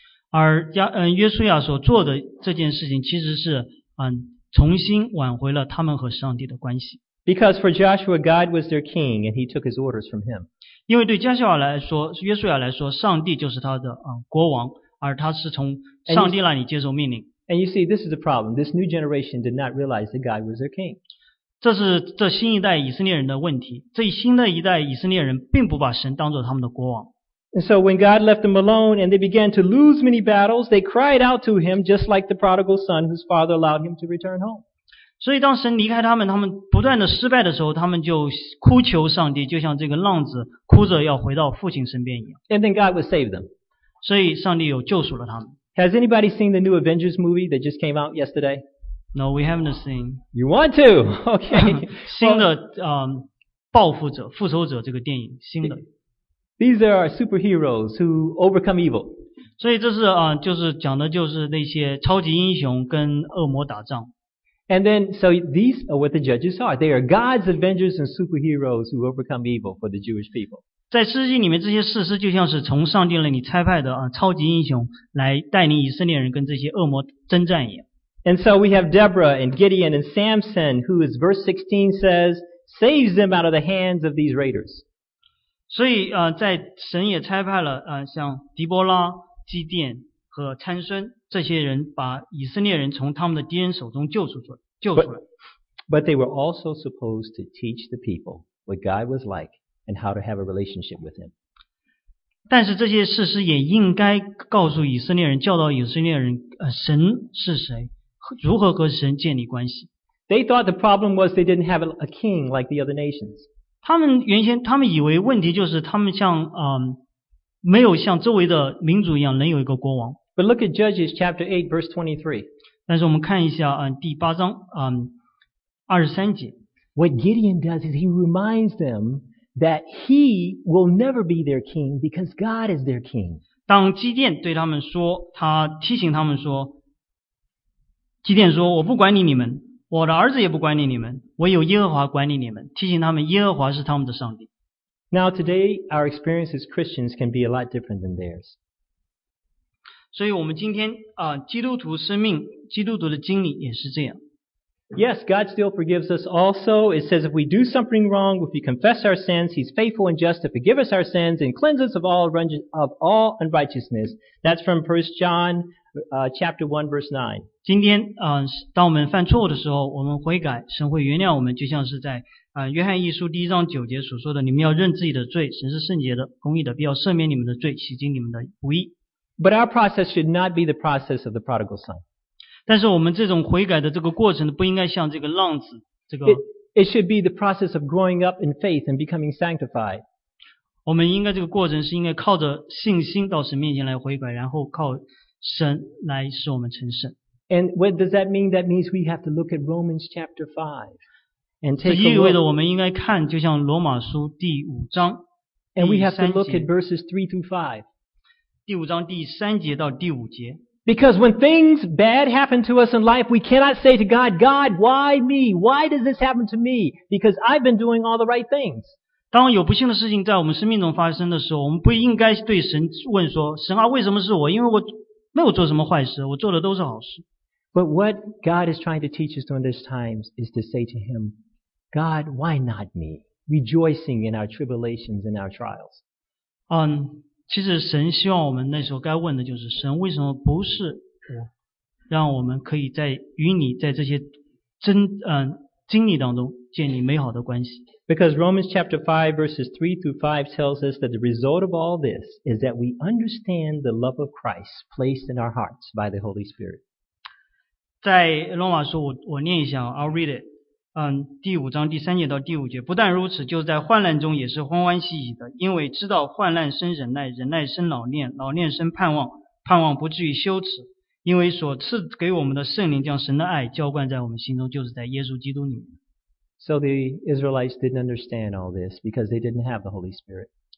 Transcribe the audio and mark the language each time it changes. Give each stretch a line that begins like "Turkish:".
Chinese: 而约书亚所做的这件事情其实是重新挽回了他们和上帝的关系。
English: Because for Joshua, God was their king, and he took his orders from him.
Chinese: 因为对约书亚来说，上帝就是他的国王，而他是从上帝那里接受命令。
English: And you see, this is the problem. This new generation did not realize that God was their king.
Chinese: 这是这新一代以色列人的问题。这新的一代以色列人并不把神当作他们的国王。
English: And so when God left them alone and they began to lose many battles, they cried out to him just like the prodigal son whose father allowed him to return home.
Chinese: 所以当神离开他们不断的失败的时候，他们就哭求上帝，就像这个浪子哭着要回到父亲身边一样。
English: And then God would save them.
Chinese: 所以上帝又救赎了他们。
English: Has anybody seen the new Avengers movie that just came out yesterday? No, we haven't seen. You want to? Okay.
Chinese: 新的报复者复仇者这个电影新的。
English: These are superheroes who overcome evil.
Chinese: 所以这是就是讲的就是那些超级英雄跟恶魔打仗。
English: And then, so these are what the judges are. They are God's avengers and superheroes who overcome evil for the Jewish people.
Chinese: 在诗经里面，这些士师就像是从上帝那里差派的超级英雄来带领以色列人跟这些恶魔征战一样。
English: And so we have Deborah and Gideon and Samson, who, as verse 16 says, saves them out of the hands of these raiders.
Chinese: 所以在神也差派了像狄波拉、基甸和参孙。这些人把以色列人从他们的敌人手中救出来。
English: But they were also supposed to teach the people what God was like and how to have a relationship with him.
Chinese: 但是这些士师也应该告诉以色列人，教导以色列人神是谁，如何和神建立关系。
English: They thought the problem was they didn't have a king like the other nations.
Chinese: 他们以为问题就是他们像没有像周围的民族一样能有一个国王。
English: But look at Judges chapter 8 verse 23.
Chinese: 但是我们看一下第八章23节。
English: What Gideon does is he reminds them that he will never be their king because God is their king.
Chinese: 当基甸对他们说，他提醒他们说，基甸说，我不管理你们，我的儿子也不管理你们，我有耶和华管理你们，提醒他们耶和华是他们的上帝。
English: Now today our experience as Christians can be a lot different than theirs.
Chinese: 所以我们今天基督徒生命基督徒的经历也是这样。
English: Yes, God still forgives us also. It says if we do something wrong, if we confess our sins, he's faithful and just to forgive us our sins and cleanse us of all unrighteousness. That's from 1 John chapter 1 verse 9.
Chinese: 今天当我们犯错误的时候，我们悔改，神会原谅我们，就像是在约翰一书第一章九节所说的，你们要认自己的罪，神是圣洁的，公义的，必要赦免你们的罪，洗净你们的不义。
English: But our process should not be the process of the prodigal son.
Chinese: 但是我们这种悔改的这个过程不应该像这个浪子这个。
English: It should be the process of growing up in faith and becoming sanctified.
Chinese: 我们应该这个过程是应该靠着信心到神面前来悔改，然后靠神来使我们成圣。
English: And what does that mean? That means we have to look at Romans chapter 5 and take a look.
Chinese: 这意味着我们应该看就像罗马书第五章。
English: And we have to look at verses 3 through 5.
Chinese: 第五章第三节到第五节。
English: Because when things bad happen to us in life, we cannot say to God, God, why me? Why does this happen to me? Because I've been doing all the right things.
Chinese: 当有不幸的事情在我们生命中发生的时候，我们不应该对神问说，神啊，为什么是我？因为我没有做什么坏事，我做的都是好事。
English: But what God is trying to teach us during these times is to say to Him, God, why not me? Rejoicing in our tribulations and our trials.
Chinese: 其实神希望我们那时候该问的就是，神为什么不是我？让我们可以在与你在这些经历当中建立美好的关系。
English: Because Romans chapter 5 verses 3 through 5 tells us that the result of all this is that we understand the love of Christ placed in our hearts by the Holy Spirit.
Chinese: 在罗马书 我念一下
English: I'll read it.
Chinese: 第五章第三节到第五节，不但如此，就在患难中也是欢欢喜喜的，因为知道患难生忍耐，忍耐生老练，老练生盼望，盼望不至于羞耻，因为所赐给我们的圣灵将神的爱浇灌在我们心中，就是在耶稣基督里面。
English: So the Israelites didn't understand all this because they didn't have the Holy Spirit.